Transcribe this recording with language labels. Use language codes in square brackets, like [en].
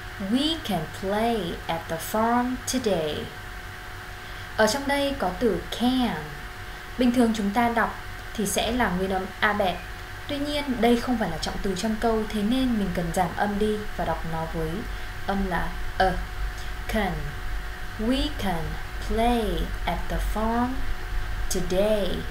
[en] We can play at the farm today. [vi] Ở trong đây có từ can. Bình thường chúng ta đọc thì sẽ là nguyên âm A bẹt. Tuy nhiên đây không phải là trọng từ trong câu, thế nên mình cần giảm âm đi và đọc nó với âm là a. [en] Can. We can play at the farm today.